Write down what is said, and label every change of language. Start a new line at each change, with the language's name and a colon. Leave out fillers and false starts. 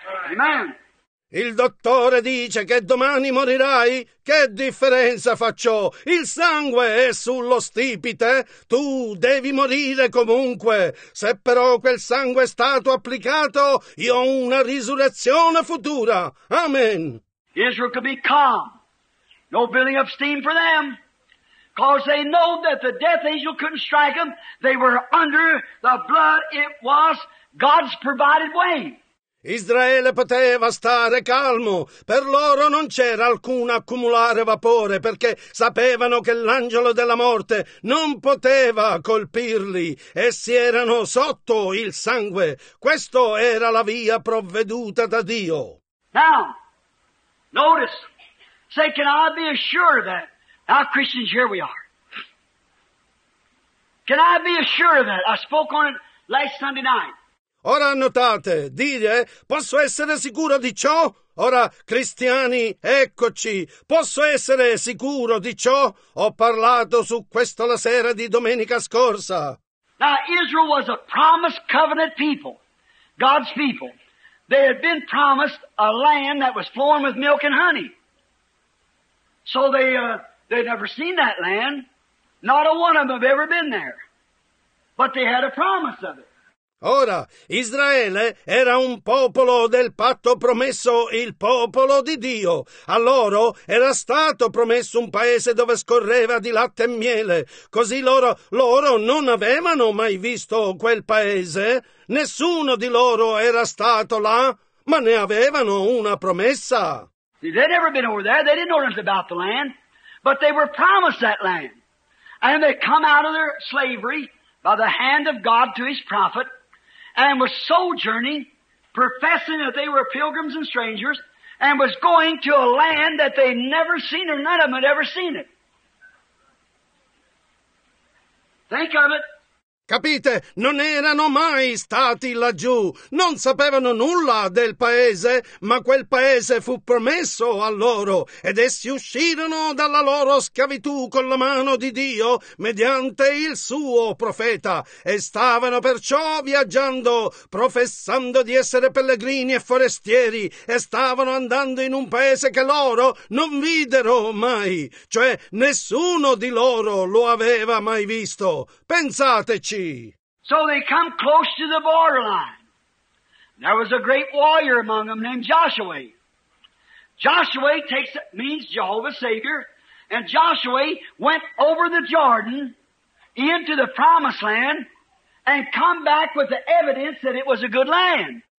English: Amen.
Italian: Il dottore dice che domani morirai. Che differenza fa ciò? Il sangue è sullo stipite. Tu devi morire comunque. Se però quel sangue è stato applicato, io ho una risurrezione futura.
English: Amen. Israel could be calm. No building up steam for them. Because they know that the death angel couldn't strike them. They were under the blood. It was God's provided way.
Italian: Israele poteva stare calmo. Per loro non c'era alcun accumulare vapore, perché sapevano che l'angelo della morte non poteva colpirli. Essi erano sotto il sangue. Questo era la via provveduta da Dio.
English: Now, notice. Say, can I be assured of that? Now, Christians, here we are. Can I be assured of that? I spoke on it last Sunday night.
Italian: Ora notate, dire, posso essere sicuro di ciò? Ora, cristiani, eccoci, posso essere sicuro di ciò? Ho parlato su questo la sera di domenica scorsa.
English: Now, Israel was a promised covenant people, God's people. They had been promised a land that was flowing with milk and honey. So they'd never seen that land. Not a one of them have ever been there. But they had a promise of it.
Italian: Ora, Israele era un popolo del patto promesso, il popolo di Dio. A loro era stato promesso un paese dove scorreva di latte e miele. Così loro non avevano mai visto quel paese. Nessuno di loro era stato là, ma ne avevano una promessa.
English: They'd never been over there. They didn't know anything about the land, but they were promised that land. And they come out of their slavery by the hand of God to his prophet. And was sojourning, professing that they were pilgrims and strangers, and was going to a land that they'd never seen, or none of them had ever seen it. Think of it.
Italian: Capite, non erano mai stati laggiù, non sapevano nulla del paese, ma quel paese fu promesso a loro, ed essi uscirono dalla loro schiavitù con la mano di Dio mediante il suo profeta, e stavano perciò viaggiando, professando di essere pellegrini e forestieri, e stavano andando in un paese che loro non videro mai, cioè nessuno di loro lo aveva mai visto. Pensateci.
English: So they come close to the borderline. There was a great warrior among them named Joshua. Joshua means Jehovah's Savior. And Joshua went over the Jordan into the promised land and come back with the evidence that it was a good land.